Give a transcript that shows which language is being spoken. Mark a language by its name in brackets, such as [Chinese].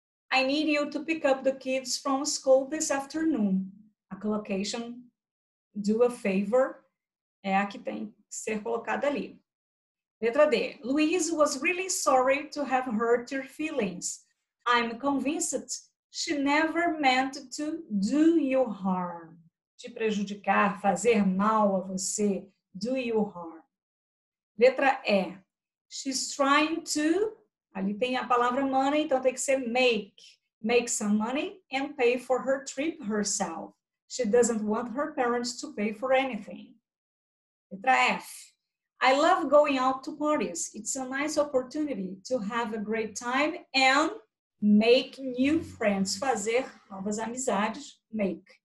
[English] I need you to pick up the kids from school this afternoon. [Portuguese] A collocation do a favor é a que tem que ser colocada ali. Letra D. [English] Louise was really sorry to have hurt your feelings. I'm convinced she never meant to do you harm. [Portuguese] Te prejudicar, fazer mal a você. [English] Do you harm. [Portuguese] Letra E. [English] She's trying to. [Portuguese] Ali tem a palavra money, então tem que ser make. [English] Make some money and pay for her trip herself. She doesn't want her parents to pay for anything. [Portuguese] Letra F. [English] I love going out to parties. It's a nice opportunity to have a great time and make new friends, [Portuguese] fazer novas amizades, [English] make.